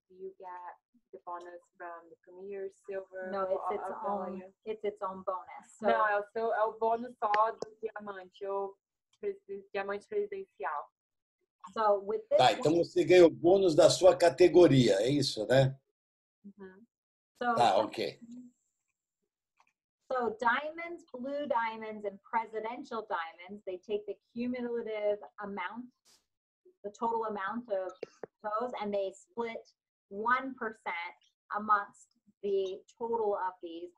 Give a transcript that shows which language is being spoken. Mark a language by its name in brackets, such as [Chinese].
[English] Do you get the bonus from the premier, silver? No, it's its own bonus. So. No, also, [Portuguese] é o bônus só do diamante, ou diamante presidencial. [English] So with this, [Portuguese] tá, então você ganha o bônus da sua categoria, é isso, né? [English] Uh-huh. So, [Portuguese] tá, ok. [English] So, diamonds, blue diamonds, and presidential diamonds, they take the cumulative amount, the total amount of those, and they split 1% amongst the total of these.